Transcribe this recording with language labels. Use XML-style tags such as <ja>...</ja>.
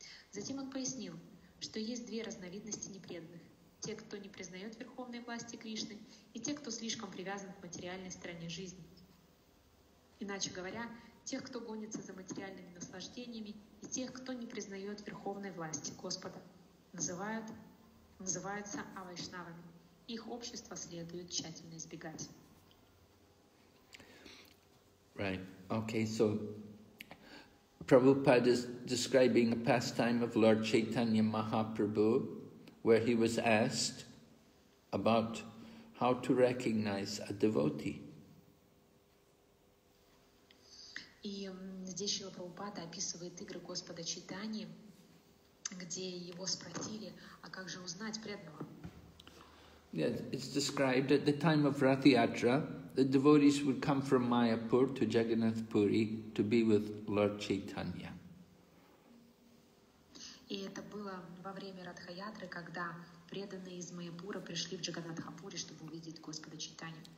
<ru>Затем он пояснил, что есть две разновидности непреданных – те, кто не признает верховной власти Кришны, и те, кто слишком привязан к материальной стороне жизни. Иначе говоря, тех, кто гонится за материальными наслаждениями, и тех, кто не признает верховной власти Господа, называются авайшнавами. Их общество следует тщательно избегать.</ru> <en>Right. Okay, so Prabhupada is describing a pastime of Lord Chaitanya Mahaprabhu, where he was asked about how to recognize a devotee.</en> <ru>И здесь Шрила Прабхупада описывает игры Господа Чайтаньи, где его спросили, а как же узнать преданного?</ru> <en>Yeah, it's described at the time of Rath Yatra, the devotees would come from Mayapur to Jagannath Puri to be with Lord Chaitanya.</en> <ru>И это было во время Радха-Ятры, когда преданные из Майяпура пришли в Джаганатхапури, чтобы увидеть Господа Чайтанью.</ru>